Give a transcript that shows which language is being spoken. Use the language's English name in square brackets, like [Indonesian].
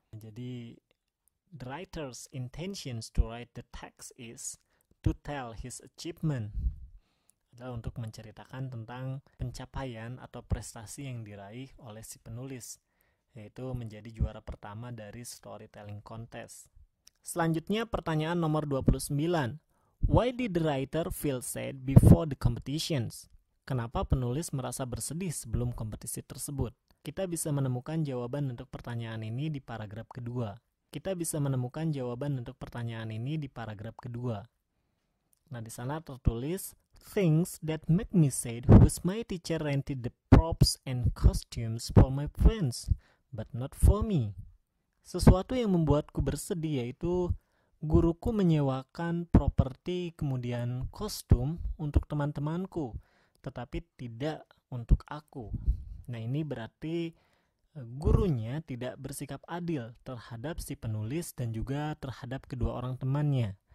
[Indonesian] Jadi, [English] the writer's intentions to write the text is to tell his achievement [Indonesian] adalah untuk menceritakan tentang pencapaian atau prestasi yang diraih oleh si penulis, yaitu menjadi juara pertama dari storytelling contest. Selanjutnya pertanyaan nomor 29. [English] Why did the writer feel sad before the competitions? [Indonesian] Kenapa penulis merasa bersedih sebelum kompetisi tersebut? Kita bisa menemukan jawaban untuk pertanyaan ini di paragraf kedua. Kita bisa menemukan jawaban untuk pertanyaan ini di paragraf kedua. Nah, di sana tertulis, [English] things that make me sad was my teacher rented the props and costumes for my friends, but not for me. [Indonesian] Sesuatu yang membuatku bersedih yaitu guruku menyewakan properti kemudian kostum untuk teman-temanku, tetapi tidak untuk aku. Nah, ini berarti gurunya tidak bersikap adil terhadap si penulis dan juga terhadap kedua orang temannya.